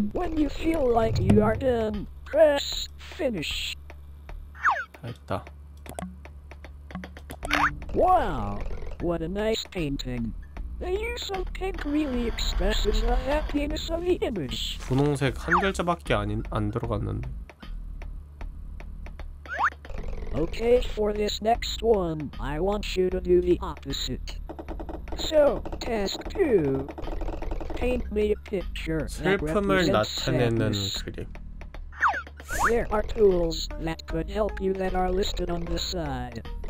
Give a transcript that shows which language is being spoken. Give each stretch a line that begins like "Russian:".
English: When you feel like you are done, press finish.
Korean: 다 했다.
English: Wow, what a nice painting. The use of pink really expresses the happiness of the image.
Korean: 분홍색 한 글자밖에 안 들어갔는데.
English: Okay, for this next one, I want you to do the opposite. So, task 2. Paint me a picture that represents sadness. There are tools that could help you that are listed on the side.